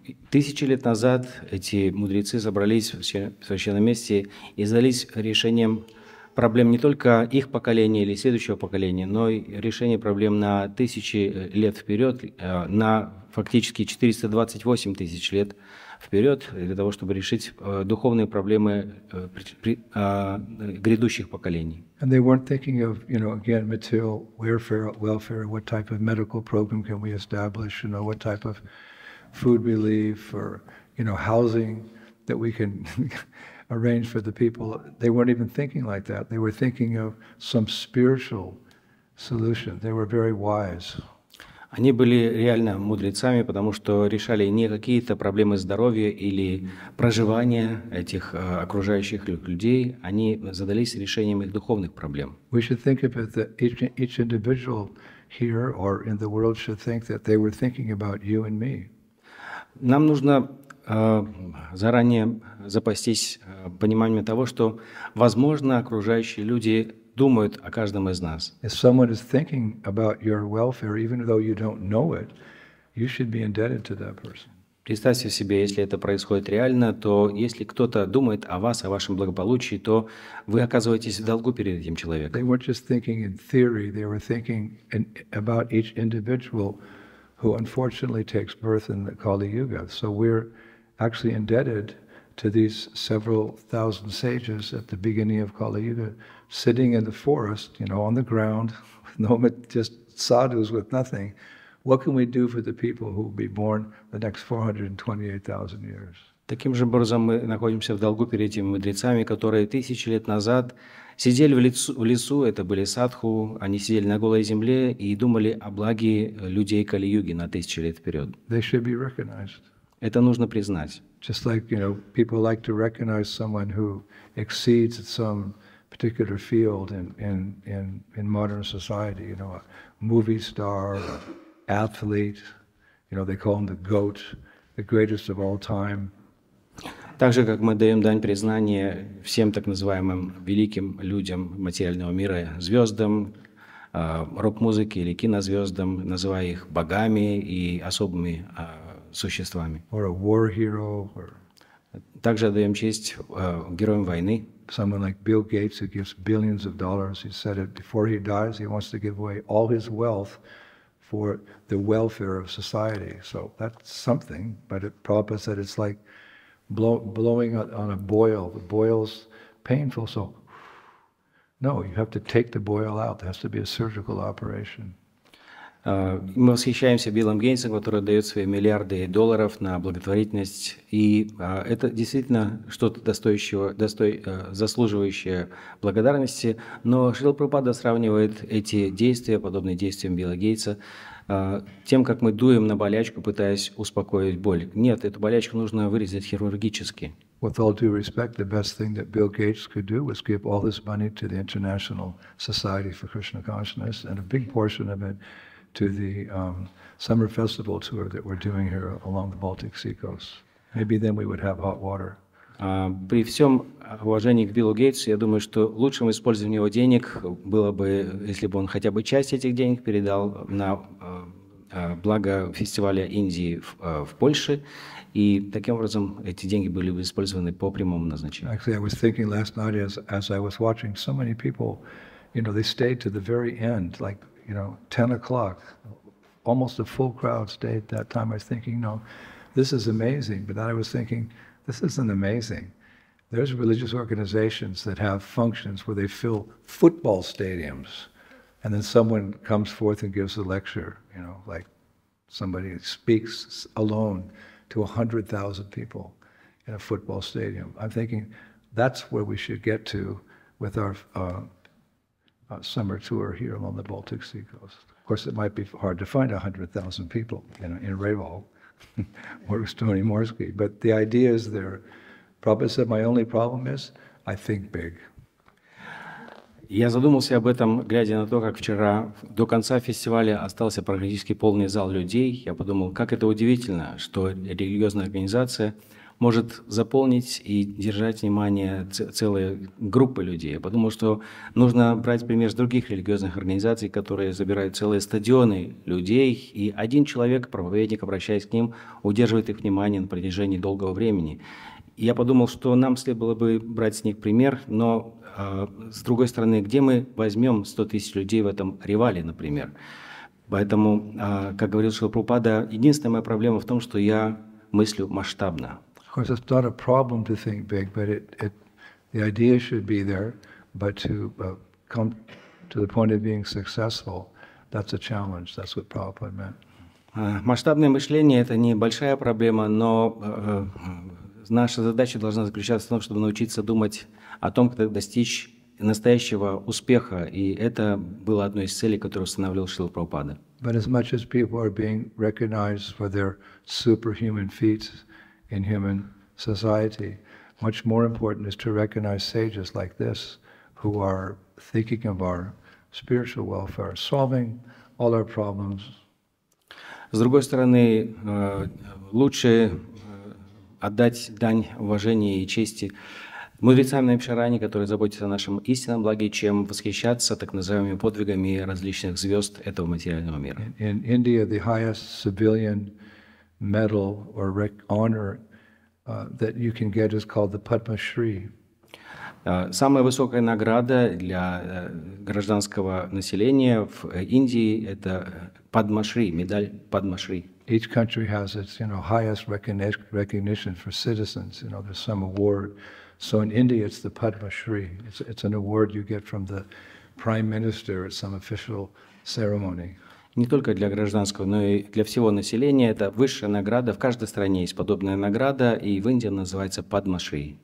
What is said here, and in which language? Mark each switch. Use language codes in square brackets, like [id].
[ru] Тысячи лет назад эти мудрецы собрались в священном месте и задались решением проблем не только их поколения или следующего поколения, но и решение проблем на тысячи лет вперед, на фактически 428 тысяч лет вперед, для того, чтобы решить духовные проблемы грядущих поколений. [en] And they weren't thinking of, you know, again, material welfare, what type of medical program can we establish, you know, what type of food relief or, you know, housing that we can arrange for the people. They weren't even thinking like that. They were thinking of some spiritual solution. They were very wise. [ru] Они были реально мудрецами, потому что решали не какие-то проблемы здоровья или проживания этих окружающих людей. Они задались решением их духовных проблем. [en] We should think of it that each individual here or in the world should think that they were thinking about you and me. [ru] Нам нужно заранее запастись пониманием того, что, возможно, окружающие люди думают о каждом из нас. [en] If someone is thinking about your welfare, even though you don't know it, you should be indebted to that person. [ru] Представьте себе, если это происходит реально, то если кто-то думает о вас, о вашем благополучии, то вы оказываетесь в долгу перед этим человеком. [en] They weren't just thinking in theory, they were thinking about each individual who unfortunately takes birth in the Kali Yuga. So we're actually indebted to these several thousand sages at the beginning of Kali Yuga, sitting in the forest, you know, on the ground, with no, just sadhus with nothing. What can we do for the people who will be born the next 428,000 years? [ru] Таким же образом мы находимся в долгу перед этими мудрецами, которые тысячи лет назад сидели в лесу, это были садху, они сидели на голой земле и думали о благе людей Кали-юги на тысячи лет вперед. [en] They should be recognized. [ru] Это нужно признать. [en] Just like, you know, people like to recognize someone who exceeds some particular field in modern society, you know, a movie star, an athlete, You know, they call him the goat, the greatest of all time. [ru] Так же, как мы даем дань признания всем так называемым великим людям материального мира, звездам, рок-музыке или кинозвездам, называя их богами и особыми существами. [en] Or a war hero, or... [ru] Также даем честь героям войны. [en] Someone like Bill Gates, who gives billions of dollars, he said it before he dies, he wants to give away all his wealth for the welfare of society. So that's something, but it, Prabhupada said it's like blowing on a boil. The boil's painful, so no, you have to take the boil out. There has to be a surgical operation. [ru] Мы восхищаемся Биллом Гейтсом, который дает свои миллиарды долларов на благотворительность. И это действительно что-то заслуживающее благодарности. Но Шрила Прабхупада сравнивает эти действия, подобные действиям Билла Гейтса, тем, как мы дуем на болячку, пытаясь успокоить боль. Нет, эту болячку нужно вырезать хирургически. [en] With all due respect, the best thing that Bill Gates could do was give all this money to the International Society for Krishna Consciousness and a big portion of it to the summer festival tour that we're doing here along the Baltic Sea coast. Maybe then we would have hot water. [ru] При всем уважении к Биллу Гейтсу, я думаю, что лучшим использованием его денег было бы, если бы он хотя бы часть этих денег передал на благо фестиваля Индии в Польше, и таким образом эти деньги были бы использованы по прямому назначению. [en] Actually, I was thinking last night as I was watching so many people, you know, they stayed to the very end, like, you know, 10 o'clock, almost a full crowd stayed at that time. I was thinking, no, this is amazing. But then I was thinking, this isn't amazing. There's religious organizations that have functions where they fill football stadiums, and then someone comes forth and gives a lecture, you know, like somebody speaks alone to 100,000 people in a football stadium. I'm thinking, that's where we should get to with our summer tour here along the Baltic Sea coast. Of course, it might be hard to find 100,000 people in Reval or Stony Morsky, but the idea is there. Prabhupada said, my only problem is I think big. [ru] Я задумался об этом, глядя на то, как вчера до конца фестиваля остался практически полный зал людей. Я подумал, как это удивительно, что религиозная организация может заполнить и держать внимание целые группы людей. Я подумал, что нужно брать пример с других религиозных организаций, которые забирают целые стадионы людей, и один человек, проповедник, обращаясь к ним, удерживает их внимание на протяжении долгого времени. Я подумал, что нам следовало бы брать с них пример, но с другой стороны, где мы возьмем 100 тысяч людей в этом Ревале, например? Поэтому, как говорил Шрила Прабхупада, единственная моя проблема в том, что я мыслю масштабно. [en] Of course, it's not a problem to think big, but the idea should be there. But to come to the point of being successful, that's a challenge. That's what Prabhupada meant. [ru] Масштабное мышление — это не большая проблема, но наша задача должна заключаться в том, чтобы научиться думать о том, как достичь настоящего успеха, и это было одной из целей, которую установил Шрила Прабхупада. [en] But as much as people are being recognized for their superhuman feats in human society, much more important is to recognize sages like this who are thinking of our spiritual welfare, solving all our problems. [ru] С другой стороны, лучше отдать дань уважения и чести мудрецам Наимшарани, которые заботятся о нашем истинном благе, чем восхищаться так называемыми подвигами различных звезд этого материального мира. [en] In India, the highest civilian medal or honor that you can get is called the Padma Shri. [ru] Самая высокая награда для гражданского населения в Индии — это Padma Shri, медаль Padma Shri. [en] Each country has its, you know, highest recognition for citizens. You know, there's some award. So in India, it's the Padma Shri. It's an award you get from the prime minister at some official ceremony. [ru] Не только для гражданского, но и для всего населения. Это высшая награда. В каждой стране есть подобная награда, и в Индии она называется Padma Shri.